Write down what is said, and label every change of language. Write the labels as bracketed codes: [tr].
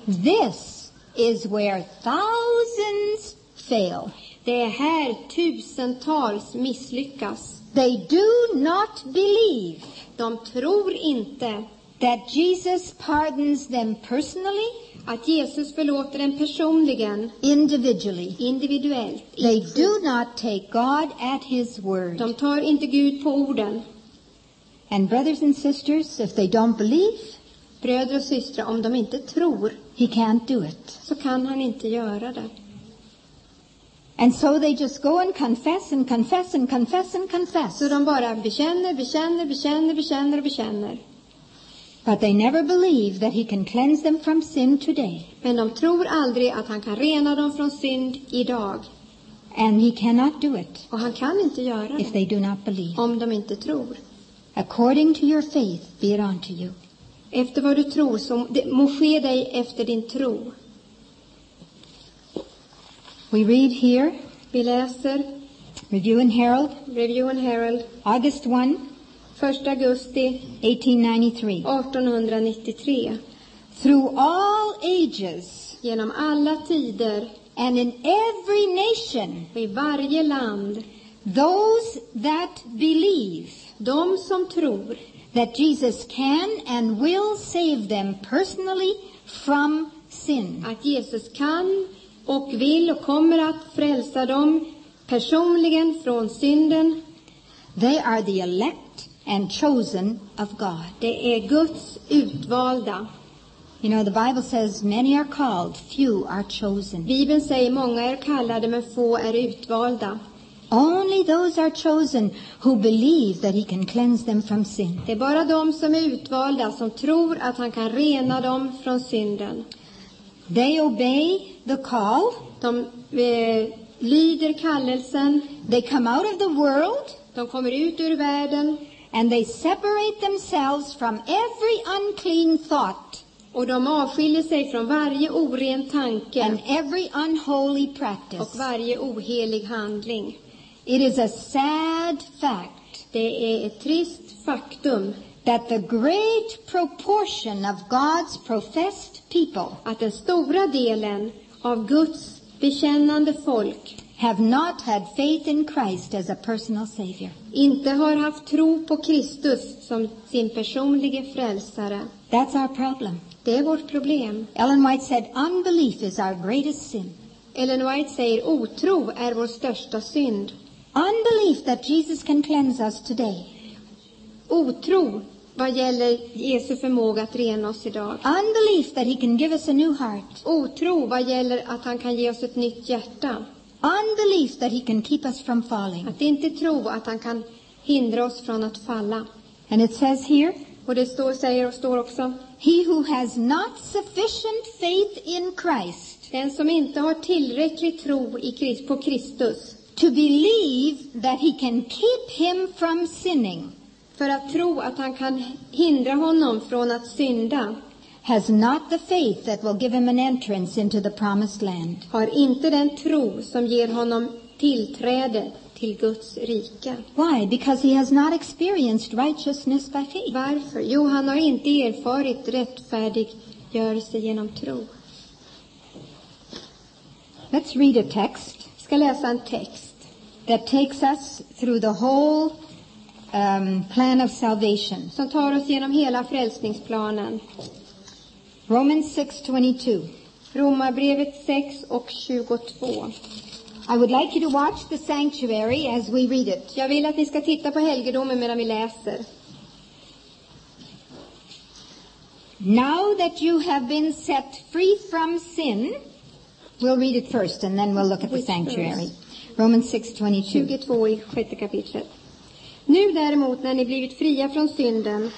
[en] This is where thousands fail. [sv] Det är här tusentals misslyckas. [en] They do not believe. [sv] De tror inte. [en] That Jesus pardons them personally. [sv] Att Jesus förlåter dem personligen. [en] Individually. [sv] Individuellt. [en] They do not take God at his word. [sv] De tar inte Gud på orden. [en] And brothers and sisters, if they don't believe. [sv] Bröder och systrar, om de inte tror. [en] He can't do it. [sv] Så kan han inte göra det. [en] And so they just go and confess and confess and confess and confess. [sv] Så de bara bekänner, bekänner, bekänner, bekänner, bekänner. [en] But they never believe that he can cleanse them from sin today. [sv] Men de tror aldrig att han kan rena dem från synd idag. [en] And he cannot do it. [sv] Och han kan inte göra [en] if They do not believe. [sv] Om de inte tror. [en] According to your faith be it unto you. [sv] Efter vad du tror så må ske dig efter din tro. [en] We read here. [sv] Vi läser. [en] Review and Herald. [sv] Review and Herald. [en] August 1. [sv] 1 augusti [en] 1893. Through all ages, [sv] genom alla tider, [en] and in every nation, [sv] i varje land, [en] those that believe, [sv] de som tror, [en] that Jesus can and will save them personally from sin. [sv] Att Jesus kan och vill och kommer att frälsa dem personligen från synden. [en] They are the elect. And chosen of God. [sv] Det är Guds utvalda. [en] You know the Bible says many are called, few are chosen. [sv] Bibeln säger många är kallade men få är utvalda. [en] Only those are chosen who believe that he can cleanse them from sin. [sv] Det är bara de som är utvalda som tror att han kan rena dem från synden. [en] They obey the call. [sv] De lyder kallelsen. [en] They come out of the world. [sv] De kommer ut ur världen. [en] And they separate themselves from every unclean thought. [sv] Och de avskiljer sig från varje oren tanke. [en] And every unholy practice. [sv] Och varje ohelig handling. [en] It is a sad fact. [sv] Det är ett trist faktum. [en] That the great proportion of God's professed people. [sv] Att den stora delen av Guds bekännande folk. [en] Have not had faith in Christ as a personal savior. [sv] Inte har haft tro på Kristus som sin personliga frälsare. [en] That's our problem. [sv] Det är vårt problem. [en] Ellen White said, "Unbelief is our greatest sin." [sv] Ellen White säger, otro är vår största synd. [en] Unbelief that Jesus can cleanse us today. [sv] Otro vad gäller Jesu förmåga att rena oss idag. [en] Unbelief that he can give us a new heart. [sv] Otro vad gäller att han kan ge oss ett nytt hjärta. [en] Unbelief that he can keep us from falling. [sv] Att inte tro att han kan hindra oss från att falla. [en] And it says here. [sv] Och det står, säger och står också. [en] He who has not sufficient faith in Christ. [sv] Den som inte har tillräcklig tro i Krist, på Kristus. [en] To believe that he can keep him from sinning. [sv] För att tro att han kan hindra honom från att synda. [en] Has not the faith that will give him an entrance into the promised land. [sv] Har inte den tro som ger honom tillträde till Guds rike. [en] Why? Because he has not experienced righteousness by faith. [sv] Varför? Jo, han har inte erfarit rättfärdiggörelse genom tro. [en] Let's read a text. [sv] Vi ska läsa en text. [en] That takes us through the whole plan of salvation. [sv] Som tar oss genom hela frälsningsplanen. [en] Romans 6:22. [sv] Romarbrevet 6 och 22. [en] I would like you to watch the sanctuary as we read it. [sv] Jag vill att ni ska titta på helgedomen medan vi läser. [en] Now that you have been set free from sin, we'll read it first and then we'll look at the sanctuary. Romans 6:22. [sv] 22 i sjätte kapitlet. Nu däremot när ni blivit fria från synden